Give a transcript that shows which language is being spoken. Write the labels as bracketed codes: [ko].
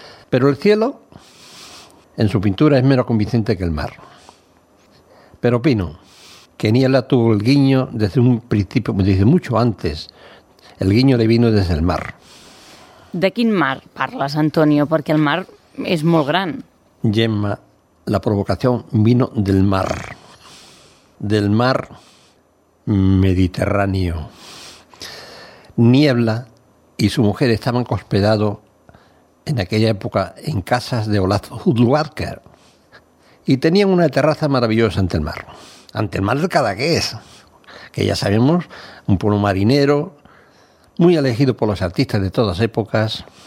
[es] Pero el cielo, en su pintura, es menos convincente que el mar. Pero opino que Niebla tuvo el guiño desde un principio, desde mucho antes. El guiño le vino desde el mar. [ca] ¿De quin mar parles, Antonio? Perquè el mar és molt gran. Gemma, la provocació [es] vino del mar. Del mar Mediterráneo. Niebla y su mujer estaban hospedados en aquella época en casas de Olaf Hudlwarker y tenían una terraza maravillosa ante el mar. Ante el mar de Cadaqués, que ya sabemos, un pueblo marinero muy elegido por los artistas de todas épocas.